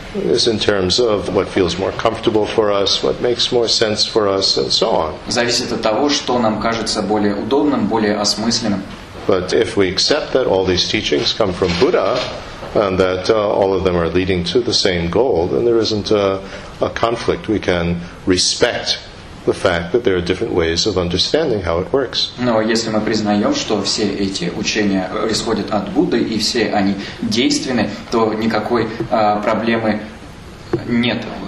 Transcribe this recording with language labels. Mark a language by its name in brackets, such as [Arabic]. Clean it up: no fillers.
[English] Is in terms of what feels more comfortable for us, what makes more sense for us, and so on. [Russian] Зависит от того, что нам кажется более удобным, более осмысленным. [English] But if we accept that all these teachings come from Buddha and that all of them are leading to the same goal, then there isn't a conflict. We can respect the fact that there are different ways of understanding how it works. [Russian] Но если мы признаем, что все эти учения исходят от Будды и все они действенны, то никакой проблемы нет.